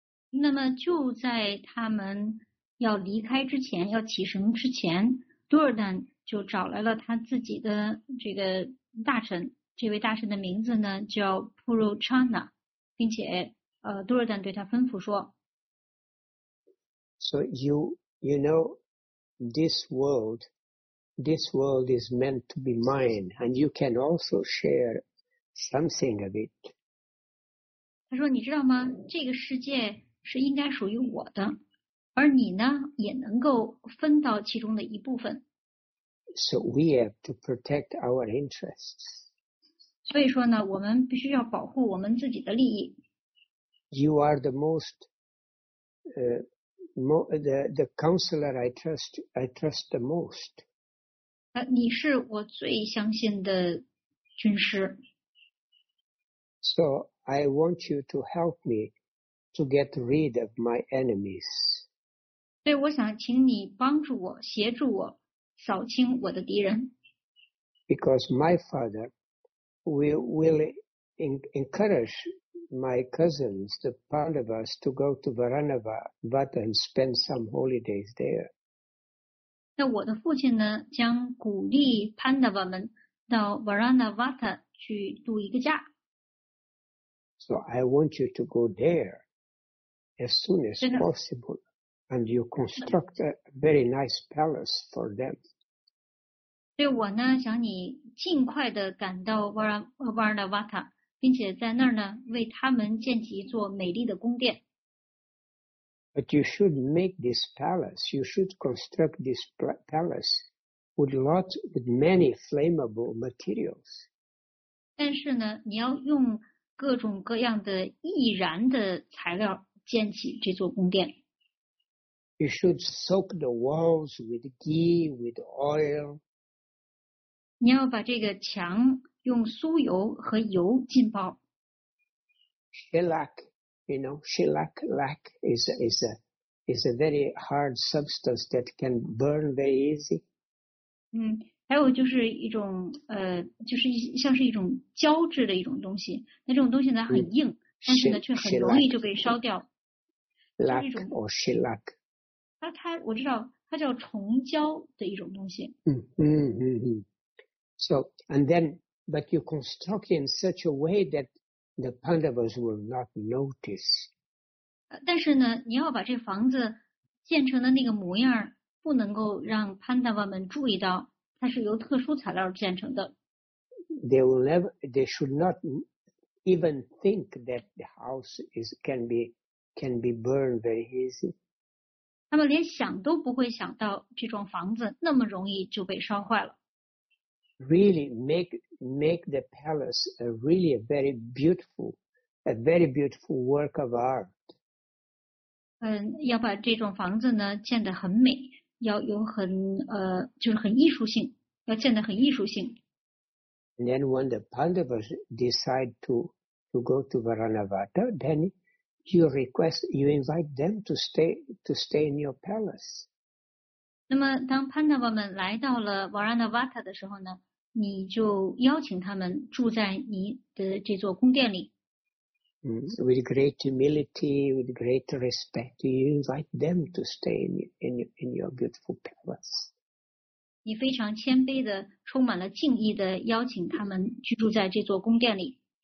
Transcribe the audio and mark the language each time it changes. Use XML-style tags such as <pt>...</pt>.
<zh>那么就在他们要离开之前，要启程之前，Duryodhan就找来了他自己的这个大臣，这位大臣的名字呢叫 Purochana， 并且Duryodhan 对他吩咐说</zh> <en>，So you know this world is meant to be mine, and you can also share something of it.</en> <zh>他说，你知道吗？这个世界是应该属于我的，而你呢，也能够分到其中的一部分。</zh> <en>So we have to protect our interests.</en> <zh>所以说呢，我们必须要保护我们自己的利益。</zh> <en>You are the most, the counselor I trust the most.</en> <zh>你是我最相信的军师。</zh> <en>So I want you to help me to get rid of my enemies.</en> <zh>所以我想请你帮助我，协助我，扫清我的敌人。</zh> <en>Because my father will encourage my cousins, the Pandavas, to go to Varanavata and spend some holidays there.</en> <zh>那我的父亲呢，将鼓励 Pandava 们到 Varanavata 去度一个假。</zh> <en>So I want you to go there as soon as possible. and you construct a very nice palace for them.</en> <zh>对我呢，想你尽快的赶到 Varnavata， 并且在那儿呢为他们建起一座美丽的宫殿。</zh> <en>But you should make this palace. You should construct this palace with lots, with many flammable materials.</en> <zh>但是呢，你要用各种各样的易燃的材料建起这座宫殿。</zh> <en>You should soak the walls with ghee, with oil.</en> <zh>你要把这个墙用酥油和油浸泡。</zh> <en>Shellac, you know, shellac is a very hard substance that can burn very easy.</en> <zh>嗯，还有就是一种就是像是一种胶质的一种东西。那这种东西呢很硬，但是呢却很容易就被烧掉。</zh> <en>Lac or shellac.</en> <zh>它我知道，它叫虫胶的一种东西。嗯嗯嗯嗯。</zh> <en>So, and then, but you construct in such a way that the Pandavas will not notice.</en> <zh>但是呢，你要把这房子建成的那个模样不能够让 Pandava 们注意到它是由特殊材料建成的。</zh> <en>They will never, they should not even think that the house is, can be burned very easy.</en> <zh>他们连想都不会想到这幢房子那么容易就被烧坏了。</zh> <en>Really make the palace a really a very beautiful work of art.</en> <zh>要把这种房子呢建得很美，要有很就是很艺术性，要建得很艺术性。</zh> <en>And then when the Pandavas decide to go to Varanavata, then you invite them to stay in your palace.</en> <zh>那么当 Pandava 们来到了 Varanavata 的时候呢？你就邀请他们住在你的这座宫殿里。</zh> <en>With great humility, with great respect, you invite them to stay in your beautiful palace.</en> <zh>你非常谦卑的，充满了敬意的邀请他们居住在这座宫殿里。</zh>